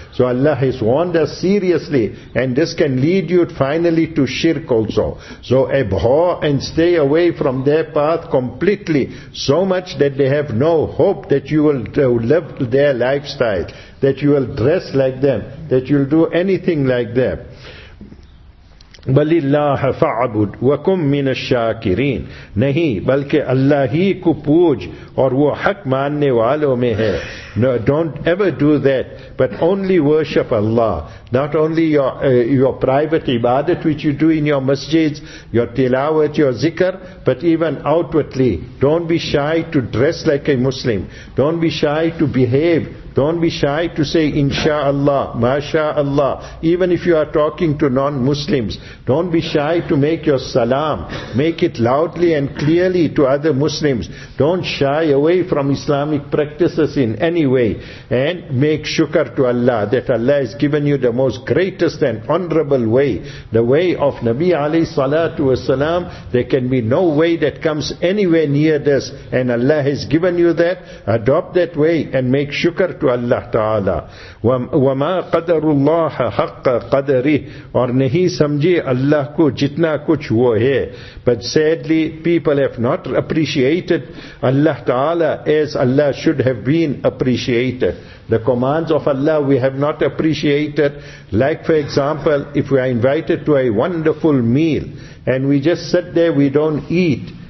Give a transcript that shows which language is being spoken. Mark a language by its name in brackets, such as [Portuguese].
[English] So Allah has warned us seriously, and this can lead you finally to shirk also. So abhor and stay away from their path completely, so much that they have no hope that you will live their lifestyle, that you will dress like them, that you will do anything like them. [Arabic] بَلِلَّهَ فَعْبُدْ وَكُمْ مِنَ الشَّاكِرِينَ [Urdu] نہیں بلکہ اللہ ہی کو پوج اور وہ حق ماننے والوں میں ہے. [English] No, don't ever do that, but only worship Allah. Not only your private ibadat which you do in your masjids, your tilawat, your zikr, but even outwardly. Don't be shy to dress like a Muslim. Don't be shy to behave. Don't be shy to say insha'Allah, masha'Allah, even if you are talking to non-Muslims. Don't be shy to make your salam. Make it loudly and clearly to other Muslims. Don't shy away from Islamic practices in any way. And make shukr to Allah that Allah has given you the most greatest and honorable way, the way of Nabi alayhi salatu wasalam. There can be no way that comes anywhere near this, and Allah has given you that. Adopt that way and make shukr to Allah Ta'ala. [Arabic] وَمَا قَدَرُ اللَّهَ حَقَّ قَدَرِهِ [Urdu] اور نہیں سمجھے اللہ کو جتنا کچھ وہ ہے. [English] But sadly, people have not appreciated Allah Ta'ala as Allah should have been appreciated. The commands of Allah we have not appreciated. Like for example, if we are invited to a wonderful meal and we just sit there, we don't eat.